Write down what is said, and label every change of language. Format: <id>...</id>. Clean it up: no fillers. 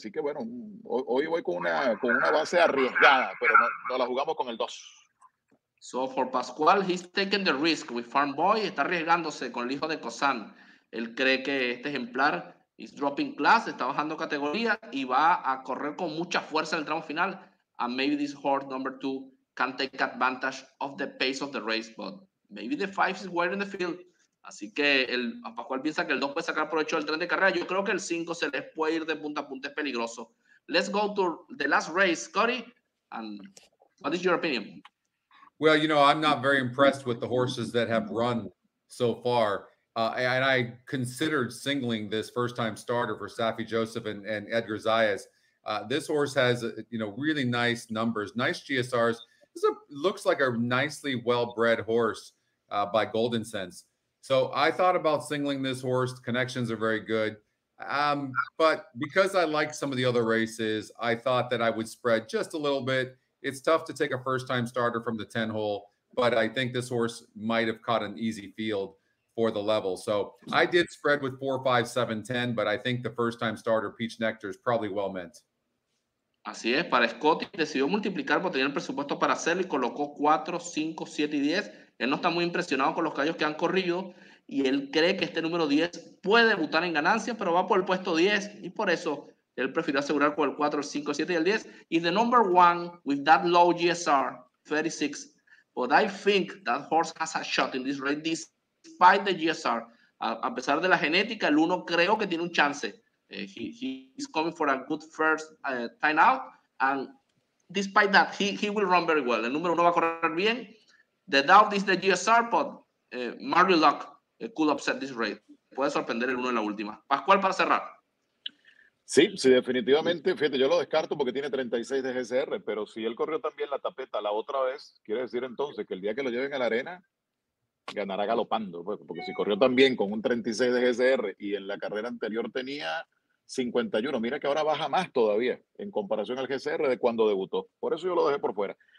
<es>Así que bueno, hoy voy con una base arriesgada, pero no la jugamos con el 2.</es> <en>So for Pascual, he's taking the risk with Farm Boy,</en> <es>está arriesgándose con el hijo de Cosán. Él cree que este ejemplar</es> <en>is dropping class,</en> <es>está bajando categoría y va a correr con mucha fuerza en el tramo final.</es> <en>And maybe this horse number 2 can take advantage of the pace of the race, but maybe the 5 is wearing the field.</en> <es>Así que el Pascual piensa que el 2 puede sacar provecho del tren de carrera. Yo creo que el 5 se les puede ir de punta a punta, es peligroso.</es> <en>Let's go to the last race, Scotty. And what is your opinion? Well, you know, I'm not very impressed with the horses that have run so far. And I considered singling this first time starter for Safi Joseph and Edgar Zayas. This horse has, really nice numbers, nice GSRs. This looks like a nicely well-bred horse by Golden Sense. So I thought about singling this horse. Connections are very good. But because I like some of the other races, I thought that I would spread just a little bit. It's tough to take a first time starter from the 10 hole, but I think this horse might have caught an easy field for the level. So I did spread with 4, 5, 7, 10, but I think the first time starter Peach Nectar is probably well meant.</en> <es>Así es, para Scotty decidió multiplicar porque tenía el presupuesto para hacerlo y colocó 4, 5, 7 y 10. Él no está muy impresionado con los caballos que han corrido y él cree que este número 10 puede debutar en ganancias, pero va por el puesto 10 y por eso él prefirió asegurar con el 4, el 5, 7 y el 10.</es> <en>Y the number 1 with that low GSR, 36. But I think that horse has a shot in this race despite the GSR.</en> <es>A pesar de la genética, el 1 creo que tiene un chance.</es> <en>He's coming for a good first time out, and despite that, he will run very well.</en> <es>El número uno va a correr bien.</es> <en>The doubt is the GSR, but Mary Luck could upset this race.</en> <es>Puede sorprender el uno en la última. Pascual, para cerrar. Sí, definitivamente. Fíjate, yo lo descarto porque tiene 36 de GSR, pero si él corrió también la tapeta la otra vez, quiere decir entonces que el día que lo lleven a la arena, ganará galopando, porque si corrió también con un 36 de GSR y en la carrera anterior tenía 51, mira que ahora baja más todavía en comparación al GSR de cuando debutó. Por eso yo lo dejé por fuera.</es>